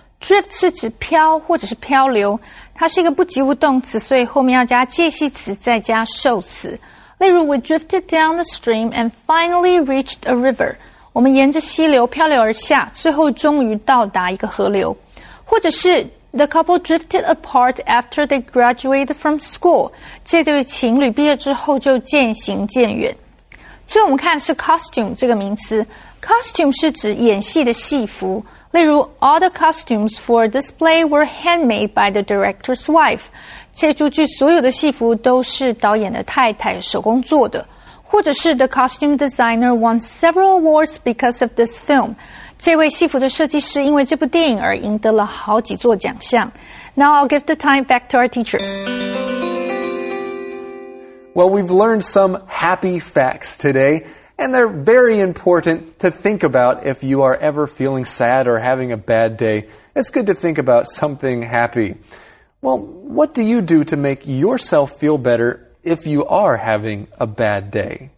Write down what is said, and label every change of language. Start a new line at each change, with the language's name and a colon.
Chinese: Drift 是指漂或者是漂流，它是一个不及物动词，所以后面要加介系词再加受词。例如
English: ,we drifted down the stream and finally reached a river.
Chinese: 我们沿着溪流漂流而下，最后终于到达一个河流。或者是
English: ,the couple drifted apart after they graduated from school.
Chinese: 这对情侣毕业之后就渐行渐远。所以我们看是 costume 这个名词。Costume 是指演戏的戏服。例如
English: ,all the costumes for this play were handmade by the director's wife.
Chinese: 这出剧所有的戏服都是导演的太太手工做的。或者是
English: ,the costume designer won several awards because of this film.
Chinese: 这位戏服的设计师因为这部电影而赢得了好几座奖项。
English: Now I'll give the time back to our teachers. Well, we've learned some happy facts today. And they're very important to think about if you are ever feeling sad or having a bad day. It's good to think about something happy. Well, what do you do to make yourself feel better if you are having a bad day?